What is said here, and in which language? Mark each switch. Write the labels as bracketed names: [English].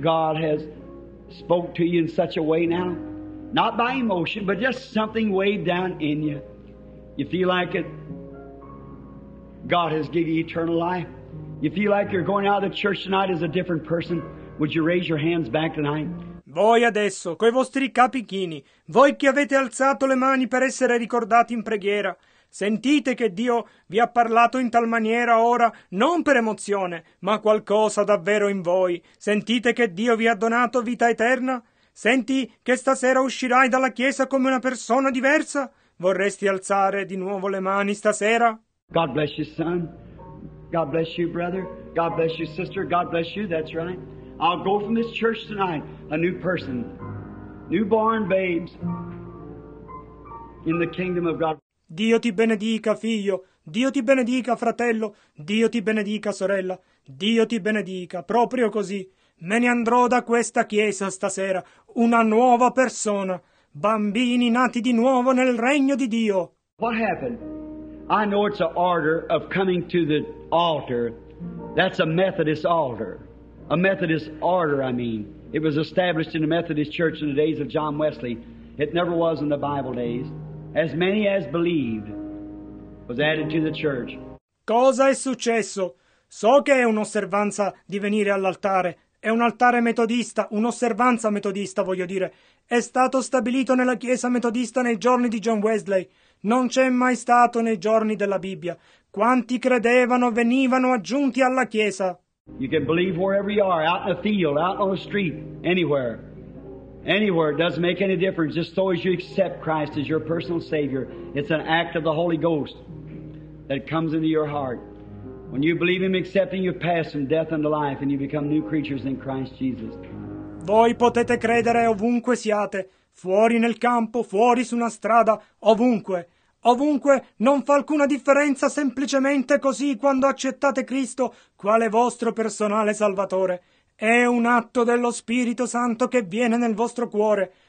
[English] God has spoke to you in such a way now? Not by emotion, but just something way down in you. You feel like it? God has given you eternal life. You feel like you're going out of the church tonight as a different person. Would you raise your hands back tonight? [Italian] Voi adesso, coi vostri capi chini, voi che avete alzato le mani per essere ricordati in preghiera, sentite che Dio vi ha parlato in tal maniera ora, non per emozione, ma qualcosa davvero in voi. Sentite che Dio vi ha donato vita eterna? Senti che stasera uscirai dalla chiesa come una persona diversa? Vorresti alzare di nuovo le mani stasera? [English] God bless you, son. God bless you, brother. God bless you, sister. God bless you, that's right. I'll go from this church tonight, a new person, newborn babes in the kingdom of God. [Italian] Dio ti benedica, figlio. Dio ti benedica, fratello. Dio ti benedica, sorella. Dio ti benedica, proprio così. Me ne andrò da questa chiesa stasera, una nuova persona, bambini nati di nuovo nel regno di Dio. [English] What happened? I know it's an order of coming to the altar. That's a Methodist altar. A Methodist order, I mean. It was established in the Methodist church in the days of John Wesley. It never was in the Bible days. As many as believed was added to the church. [Italian] Cosa è successo? So che è un'osservanza di venire all'altare. È un altare metodista, un'osservanza metodista, voglio dire. È stato stabilito nella chiesa metodista nei giorni di John Wesley. Non c'è mai stato nei giorni della Bibbia. Quanti credevano venivano aggiunti alla chiesa. [English] You can believe wherever you are, out in the field, out on the street, anywhere. Anywhere, it doesn't make any difference. Just so as you accept Christ as your personal Savior, it's an act of the Holy Ghost that comes into your heart. When you believe Him, accepting, you pass from death unto life and you become new creatures in Christ Jesus. [Italian] Voi potete credere ovunque siate, fuori nel campo, fuori su una strada, ovunque. Ovunque non fa alcuna differenza, semplicemente così, quando accettate Cristo quale vostro personale Salvatore. È un atto dello Spirito Santo che viene nel vostro cuore.